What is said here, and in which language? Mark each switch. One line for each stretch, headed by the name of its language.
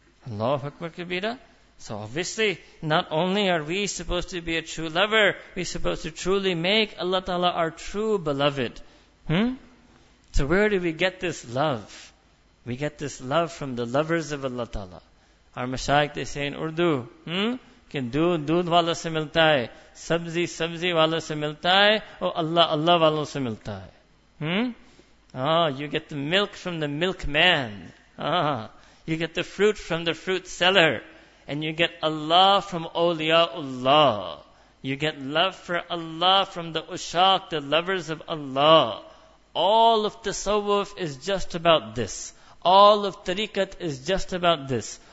English: Allahu Akbar Kabira. So obviously, not only are we supposed to be a true lover, we're supposed to truly make Allah Ta'ala our true beloved. So where do we get this love? We get this love from the lovers of Allah Ta'ala. Our mashayikh, they say in Urdu,
Urdu: کہ دودھ والا سے ملتا ہے، سبزی سبزی والا سے ملتا ہے، اور اللہ اللہ والا سے ملتا ہے۔
English: You get the milk from the milkman. You get the fruit from the fruit seller. And you get Allah from awliyaullah. You get love for Allah from the ushaq, the lovers of Allah. All of tasawwuf is just about this. All of tariqat is just about this.